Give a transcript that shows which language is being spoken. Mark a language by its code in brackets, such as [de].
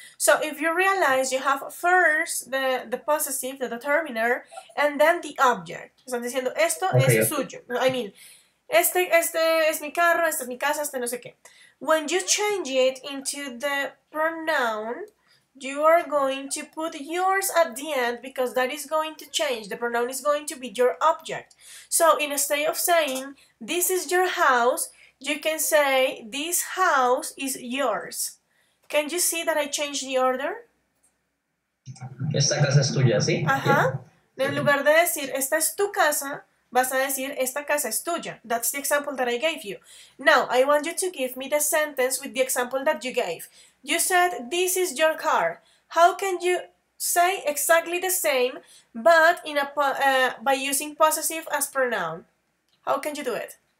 [en] So if you realize you have first the possessive, the determiner, and then the object. [es] Están diciendo, esto es suyo. [en] I mean, [es] este es mi carro, esta es mi casa, este no sé qué. [en] When you change it into the pronoun, you are going to put yours at the end because that is going to change. The pronoun is going to be your object. So instead of saying, this is your house, you can say, this house is yours. Can you see that I changed the order? [es] Esta casa es tuya, ¿sí? Ajá. En lugar de decir, esta es tu casa, vas a decir, esta casa es tuya. [en] That's the example that I gave you. Now, I want you to give me the sentence with the example that you gave. You said, this is your car. How can you say exactly the same, but in a by using possessive as pronoun? How can you do it?